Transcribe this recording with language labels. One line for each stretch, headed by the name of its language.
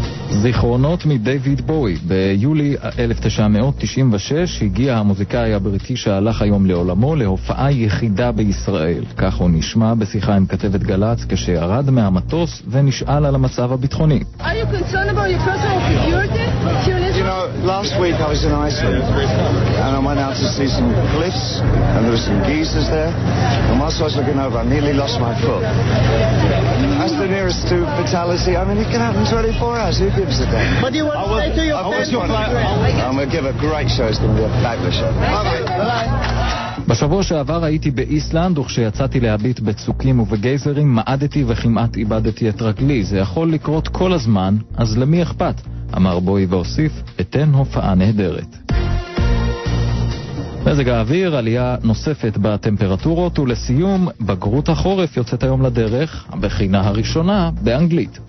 Hebrew: זיכרונות מדייוויד בואי. ביולי 1996 הגיע המוזיקאי הבריטי שהלך היום לעולמו להופעה יחידה בישראל. כך הוא נשמע בשיחה עם כתבת גלץ כשירד מהמטוס ונשאל על המצב הביטחוני.
English: Are you concerned about your personal security? You know, last week I was in Iceland and I went out to see some cliffs and there were some geysers there. And whilst I was looking over, I nearly lost my foot. That's the nearest to fatality. I mean, it can happen 24 hours. Who gives a damn? What do you want to say to your fans? I'm going to give a great show. It's going to be a fabulous show. Bye-bye.
Hebrew: בשבוע שעבר הייתי באיסלנד, וכשיצאתי להביט בצוקים ובגייזרים, מעדתי וכמעט איבדתי את רגלי. זה יכול לקרות כל הזמן, אז למי אכפת? אמר בואי והוסיף, אתן הופעה נהדרת. מזג האוויר, עלייה נוספת בטמפרטורות, ולסיום, בגרות החורף יוצאת היום לדרך, הבחינה הראשונה באנגלית.